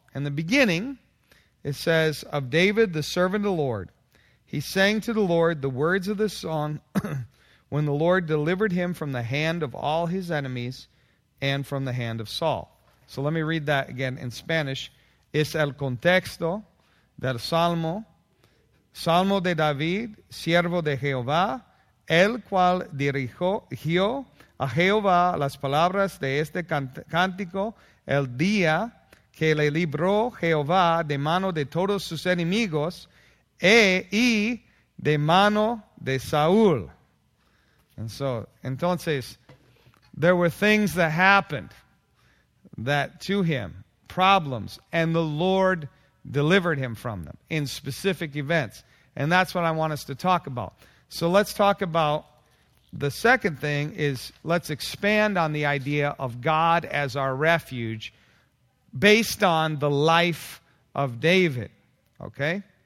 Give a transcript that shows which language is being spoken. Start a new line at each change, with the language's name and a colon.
English: In the beginning, it says, of David, the servant of the Lord, he sang to the Lord the words of this song when the Lord delivered him from the hand of all his enemies and from the hand of Saul. So let me read that again in Spanish.
Spanish: Es el contexto del Salmo. Salmo de David, siervo de Jehová, el cual dirigió a Jehová las palabras de este cántico el día que le libró Jehová de mano de todos sus enemigos y de mano de Saúl.
English: And so,
Spanish: entonces,
English: there were things that happened that to him, problems, and the Lord delivered him from them in specific events. And that's what I want us to talk about. So let's talk about the second thing is let's expand on the idea of God as our refuge based on the life of David, okay?